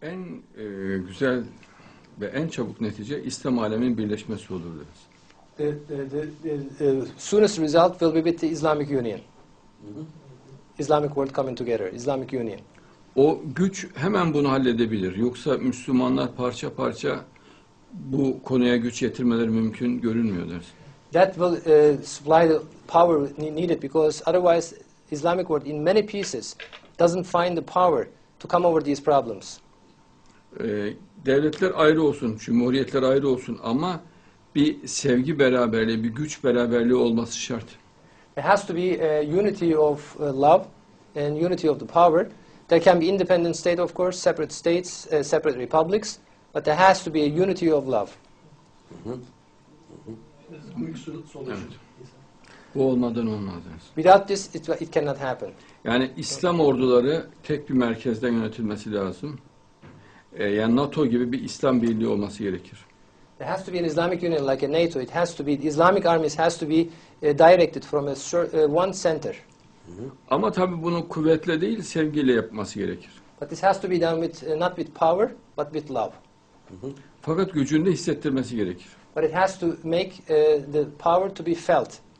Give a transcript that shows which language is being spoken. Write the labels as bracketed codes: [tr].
[tr] En güzel ve en çabuk netice İslam aleminin birleşmesi olur deriz. [en] Soonest result will be the Islamic Union. Islamic world coming together, Islamic Union. [tr] O güç hemen bunu halledebilir. Yoksa Müslümanlar parça parça bu konuya güç getirmeleri mümkün görünmüyor deriz. [en] That will supply the power needed because otherwise Islamic world in many pieces doesn't find the power to come over these problems. [tr] Devletler ayrı olsun, cumhuriyetler ayrı olsun ama bir sevgi beraberliği, bir güç beraberliği olması şart. [en] It has to be unity of love and unity of the power. There can be independent state of course, separate states, separate republics, but there has to be a unity of love. [tr] Evet. Bu olmadan olmaz. [en] Without this it cannot happen. [tr] Yani İslam orduları tek bir merkezden yönetilmesi lazım. Yani NATO gibi bir İslam birliği olması gerekir. [en] It has to be an Islamic Union like a NATO. It has to be, the Islamic armies has to be directed from a one center. [tr] Ama tabii bunu kuvvetle değil, sevgiyle yapması gerekir. [en] But this has to be done with, not with power, but with love. [tr] Fakat gücünde hissettirmesi gerekir. [en] But it has to make the power to be felt.